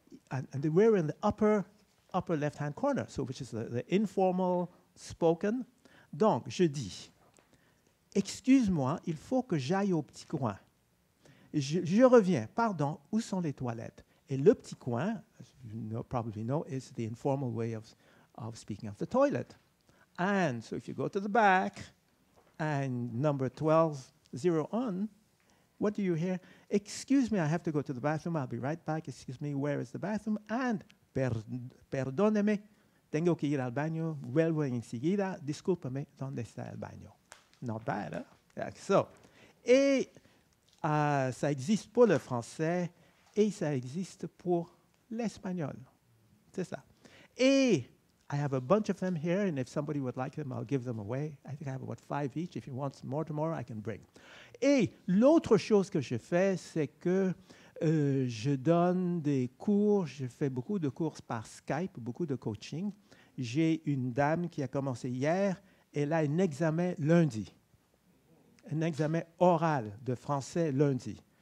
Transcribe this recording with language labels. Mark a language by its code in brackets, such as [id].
[en] And we're in the upper left-hand corner, so which is the informal spoken. [fr] Donc, je dis, excuse-moi, il faut que j'aille au petit coin. Je reviens, pardon, où sont les toilettes? Et le petit coin, [en] as you know, probably know, is the informal way of speaking of the toilet. And so if you go to the back, and number 12, 01, what do you hear? Excuse me, I have to go to the bathroom. I'll be right back. Excuse me, where is the bathroom? And [es] perdóneme, tengo que ir al baño. Vuelvo enseguida. Discúlpame, ¿dónde está el baño? [en] Not bad, huh? Yeah, so, [fr] et ça existe pour le français et ça existe pour l'espagnol. C'est ça. Et [en] I have a bunch of them here, and if somebody would like them, I'll give them away. I think I have about 5 each. If you want some more tomorrow, I can bring. [fr] Et l'autre chose que je fais, c'est que je donne des cours. Je fais beaucoup de cours par Skype, beaucoup de coaching. J'ai une dame qui a commencé hier. Elle a un examen lundi. Un examen oral de français lundi.